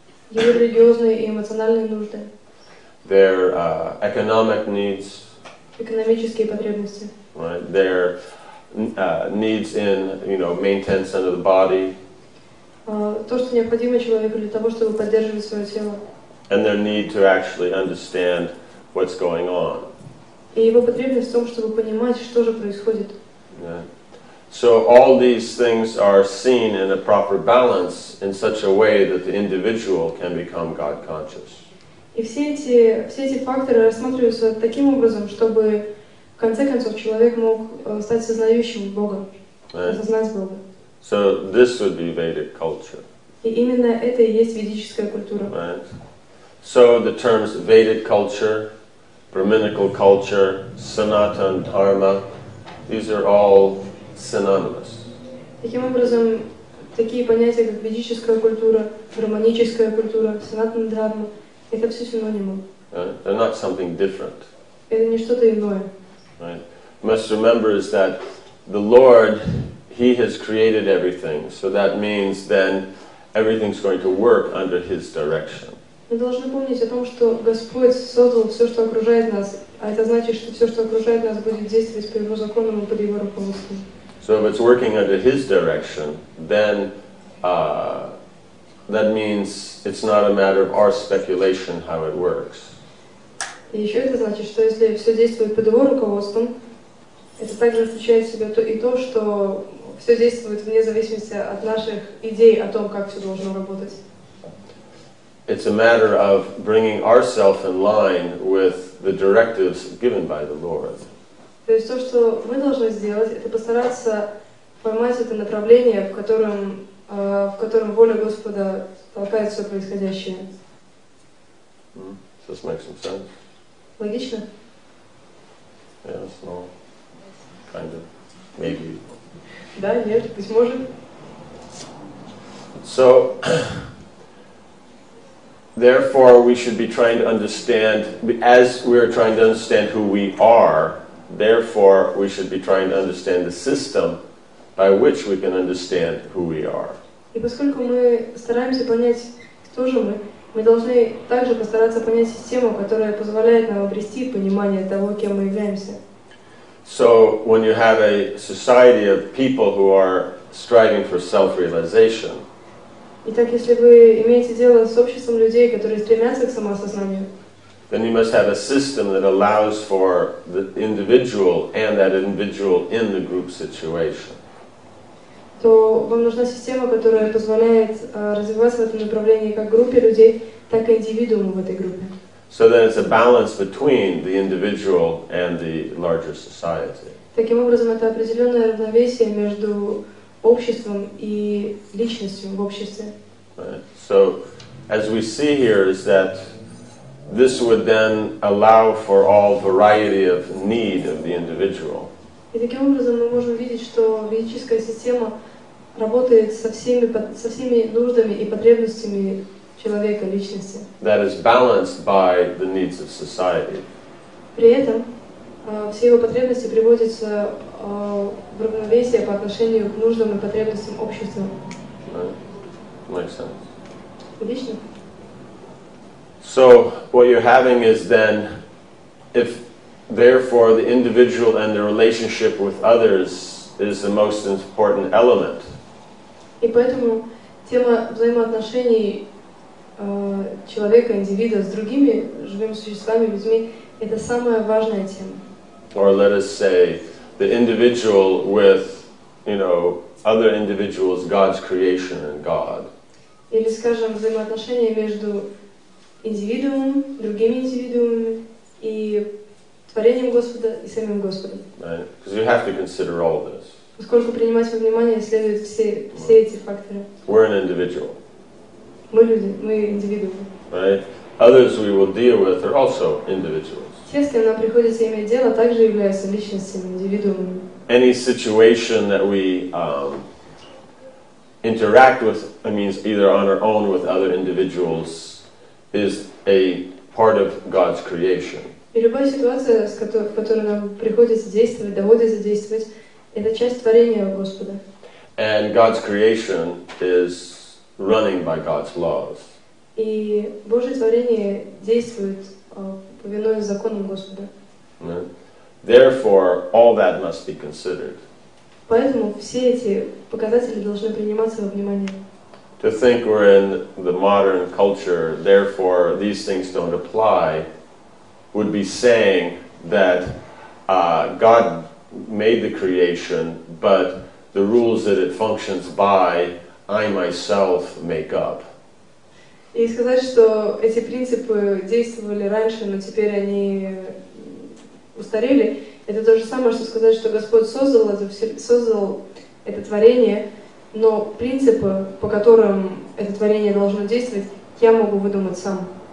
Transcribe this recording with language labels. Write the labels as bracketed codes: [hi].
[ru] Его религиозные и эмоциональные нужды. [en] Their economic needs. [ru] Экономические потребности. [en] Right. Their needs in, you know, maintenance of the body. [ru] То, что необходимо человеку для того, чтобы поддерживать свое тело. [en] And their need to actually understand what's going on. [ru] И его потребность в том, чтобы понимать, что же происходит. [en] Yeah. So all these things are seen in a proper balance in such a way that the individual can become God conscious. [ru] И все эти факторы рассматриваются таким образом, чтобы в конце концов человек мог стать сознающим Бога, осознать Бога. [en] So this would be Vedic culture. [ru] И именно это и есть ведическая культура. [en] Right. So the terms Vedic culture, Brahminical culture, Sanatana Dharma, these are all synonymous. [ru] Таким образом, такие понятия как ведическая культура, брахманическая культура, Sanatana Dharma, это все синонимы. [en] They're not something different. [ru] Это не что-то иное. [en] Right. Must remember is that the Lord, He has created everything, so that means then everything's going to work under His direction. [ru] Мы должны помнить о том, что Господь создал все, что окружает нас, а это значит, что все, что окружает нас, будет действовать по Его законам и под Его руководством. [en] So if it's working under His direction, then that means it's not a matter of our speculation how it works. [ru] И еще это значит, что если все действует под Его руководством, это также включает в себя то, что все действует вне зависимости от наших идей о том, как все должно работать. [en] It's a matter of bringing ourselves in line with the directives given by the Lord. [ru] То есть то, что мы должны сделать, это постараться поймать это направление, в котором воля Господа толкает все происходящее. [en] Does this make some sense? [ru] Логично? [en] Yes, no. Kind of. Maybe. [ru] Да, нет, быть может. [en] So, therefore, we should be trying to understand, as we are trying to understand who we are, therefore, we should be trying to understand the system by which we can understand who we are. [ru] И поскольку мы стараемся понять, кто же мы должны также постараться понять систему, которая позволяет нам обрести понимание того, кем мы являемся. [en] So when you have a society of people who are striving for self-realization, [ru] итак, если вы имеете дело с обществом людей, которые стремятся к самоосознанию, [en] then you must have a system that allows for the individual and that individual in the group situation. [ru] То вам нужна система, которая позволяет развиваться в этом направлении как группе людей, так и индивидууму в этой группе. [en] So then it's a balance between the individual and the larger society. Таким образом, это определенное равновесие между обществом и личностью в обществе. Right. So as we see here, is that this would then allow for all variety of need of the individual. [ru] И таким образом мы можем видеть, что ведическая система работает со всеми нуждами и потребностями человека, личности. [en] That is balanced by the needs of society. [ru] При этом все его потребности приводятся в равновесие по отношению к нуждам и потребностям общества. [en] Makes sense. [ru] Отлично. [en] So what you're having is then, if therefore the individual and the relationship with others is the most important element. [ru] И поэтому тема взаимоотношений человека, индивида с другими живыми существами, людьми, это самая важная тема. [en] Or let us say, the individual with, you know, other individuals, God's creation and God. [ru] Или, скажем, взаимоотношения между индивидуумом, другими индивидуумами и творением Господа и самим Господом. [en] Right, because you have to consider all this. [ru] Поскольку принимать во внимание следует все эти факторы. [en] We're an individual. [ru] Мы люди, мы индивидуумы. [en] Right, others we will deal with are also individuals. [ru] Те, с кем нам приходится иметь дело, также являются личностями, индивидуумами. [en] Any situation that we interact with, I mean, either on our own or with other individuals, is a part of God's creation. [ru] И любая ситуация, в которой нам приходится действовать, доводится действовать, это часть творения Господа. [en] And God's creation is running by God's laws. [ru] И Божье творение действует повинуясь законам Господа. [en] Therefore, all that must be considered. [ru] Поэтому все эти показатели должны приниматься во внимание. [en] To think we're in the modern culture, therefore these things don't apply, would be saying that God made the creation, but the rules that it functions by, I myself make up. [ru] И сказать, что эти принципы действовали раньше, но теперь они устарели, это то же самое, что сказать, что Господь создал это творение, но принципы, по которым это творение должно действовать, я могу выдумать сам.